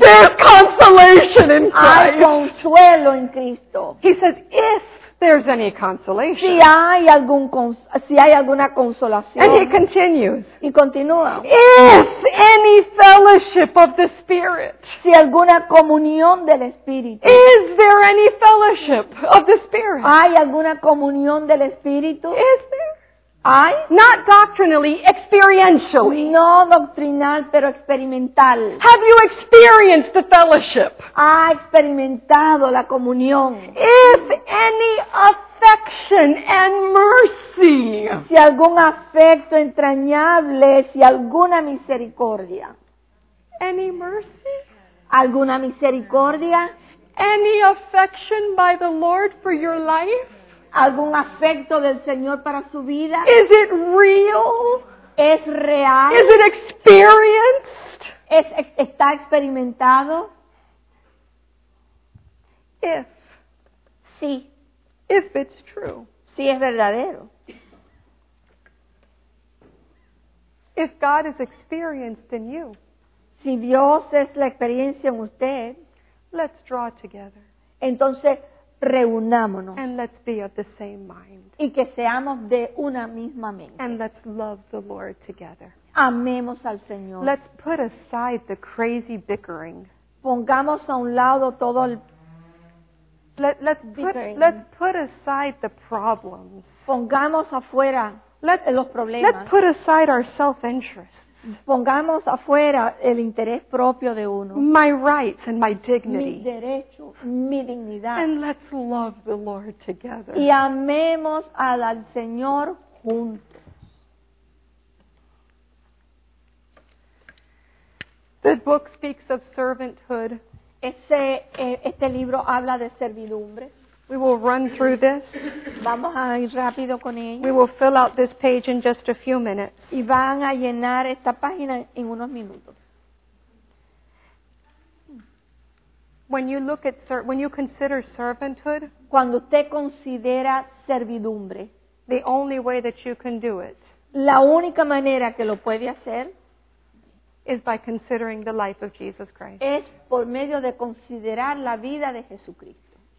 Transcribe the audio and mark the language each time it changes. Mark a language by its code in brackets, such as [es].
[en] There's consolation in Christ. [es] Hay consuelo en Cristo. [en] He says if. There's any consolation. [es] Si hay alguna consolación. [en] And he continues. [es] Y continúa. [en] If any fellowship of the Spirit. [es] Si alguna comunión del Espíritu. [en] Is there any fellowship of the Spirit? [es] ¿Hay alguna comunión del Espíritu? [en] Is there? [es] ¿Hay? [en] Not doctrinally, experientially. [es] No doctrinal, pero experimental. [en] Have you experienced the fellowship? [es] ¿Ha experimentado la comunión? [en] If any affection and mercy. [es] Si algún afecto entrañable, si alguna misericordia. [en] Any mercy? [es] ¿Alguna misericordia? [en] Any affection by the Lord for your life? [es] ¿Algún afecto del Señor para su vida? [en] Is it real? [es] ¿Es real? [en] Is it experienced? [es] ¿Está experimentado? [en] If. [es] Sí. [en] If it's true. [es] Sí, es verdadero. [en] If God is experienced in you. [es] Si Dios es la experiencia en usted. [en] Let's draw together. [es] Entonces, reunámonos. [en] And let's be of the same mind. [es] Y que seamos de una misma mente. [en] And let's love the Lord together. [es] Amemos al Señor. [en] Let's put aside the crazy bickering. [es] pongamos a un lado todo el [en] let's put aside the problems. [es] Pongamos afuera los problemas. [en] Let's put aside our self-interest. [es] Pongamos afuera el interés propio de uno. [en] My rights and my dignity. [es] Mi derecho, mi dignidad. [en] And let's love the Lord together. [es] Y amemos al Señor juntos. [en] The book speaks of servanthood. [es] Este libro habla de servidumbre. [en] We will run through this. [es] Vamos a ir rápido con ello. [en] We will fill out this page in just a few minutes. [es] Y van a llenar esta página en unos minutos. [en] When you consider servanthood, [es] cuando usted considera servidumbre, [en] the only way that you can do it, [es] la única manera que lo puede hacer, [en] is by considering the life of Jesus Christ. [es] Es por medio de considerar la vida de Jesucristo.